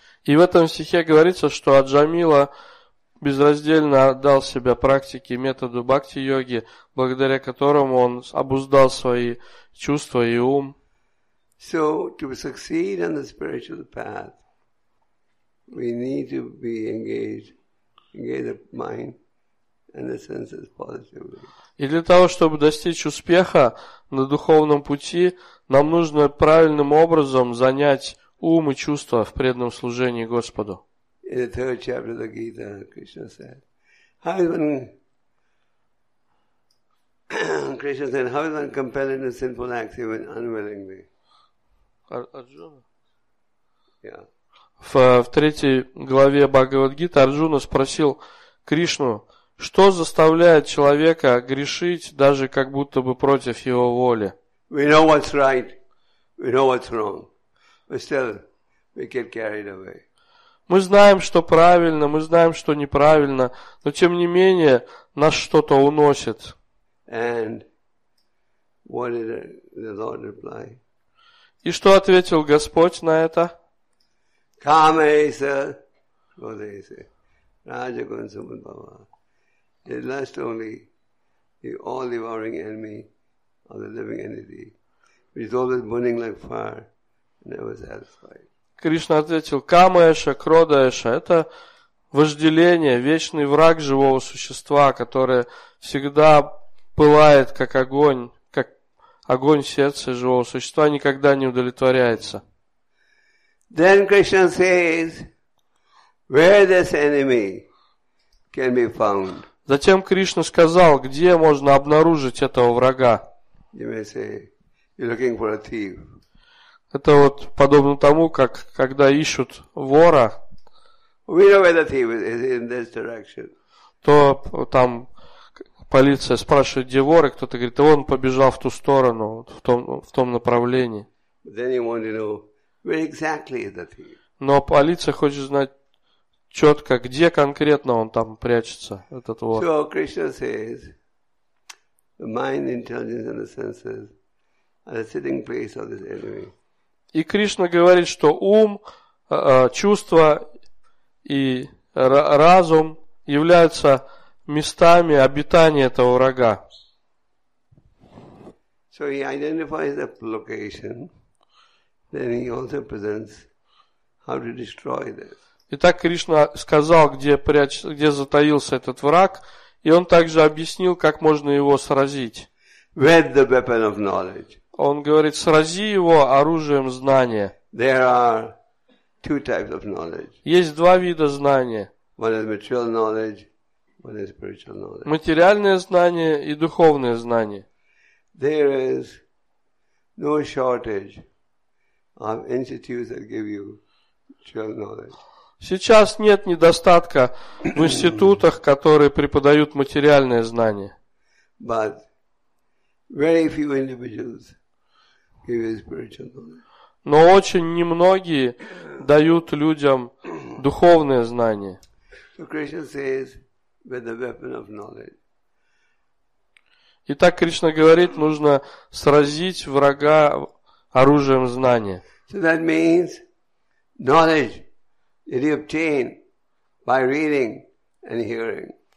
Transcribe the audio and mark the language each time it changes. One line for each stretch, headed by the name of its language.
Russian: И в этом стихе говорится, что Аджамила безраздельно отдал себя практике методу бхакти йоги, благодаря которому он обуздал свои чувства и ум.
English: So to succeed on the spiritual path, we need to be engage the mind and the senses positively.
Russian: И для того, чтобы достичь успеха на духовном пути, нам нужно правильным образом занять ум и чувства в преданном служении Господу.
English: In the third chapter of the Gita, Krishna said, how is one compelled into sinful acts even unwillingly?
Russian: Арджуна?
English: Yeah.
Russian: В третьей главе Бхагавад-гиты Арджуна спросил Кришну, что заставляет человека грешить, даже как будто бы против его воли?
English: We know what's right, we know what's wrong, but still we get carried away.
Russian: Мы знаем, что правильно, мы знаем, что неправильно, но тем не менее нас что-то уносит.
English: And what did the Lord reply?
Russian: И что ответил Господь на это?
Sanskrit: Kamesa, Kodesa, Rajagun Sumudbhava.
English: The last only, the all-devouring enemy of the living entity, which is always burning like fire, never satisfied.
Russian: Кришна ответил, Камаэша, Кродаэша, это вожделение, вечный враг живого существа, которое всегда пылает, как огонь сердца живого существа, никогда не удовлетворяется.
English: Then Krishna says, where this enemy can be found?
Russian: Затем Кришна сказал, где можно обнаружить этого врага.
English: You may say, you're looking for a thief.
Russian: Это вот подобно тому, как когда ищут вора,
English: we know where the thief is in this direction.
Russian: То там полиция спрашивает, где вор, и кто-то говорит, да он побежал в ту сторону, в том направлении.
English: Then you want to know where exactly is the thief.
Russian: Но полиция хочет знать, четко, где конкретно он там прячется, этот вор.
English: So Krishna says, the mind, intelligence and the senses are the sitting place of this enemy.
Russian: И Кришна говорит, что ум, чувства и разум являются местами обитания этого врага.
English: So he identifies the location, then he also presents how to destroy this.
Russian: Итак, Кришна сказал, где затаился этот враг, и он также объяснил, как можно его сразить.
English: With the weapon of knowledge.
Russian: Он говорит, срази его оружием знания.
English: There are two types of knowledge.
Russian: Есть два вида знания.
English: One is material knowledge, one is spiritual knowledge.
Russian: Материальное знание и духовное знание.
English: There is no shortage of institutes that give you material knowledge.
Russian: Сейчас нет недостатка в институтах, которые преподают материальное знание.
English: But very few individuals give you spiritual knowledge.
Russian: Но очень немногие дают людям духовное знание.
English: So Krishna says, with the weapon of knowledge.
Russian: Итак, Кришна говорит, нужно сразить врага оружием знания.
English: So that means knowledge that you obtain by reading and hearing.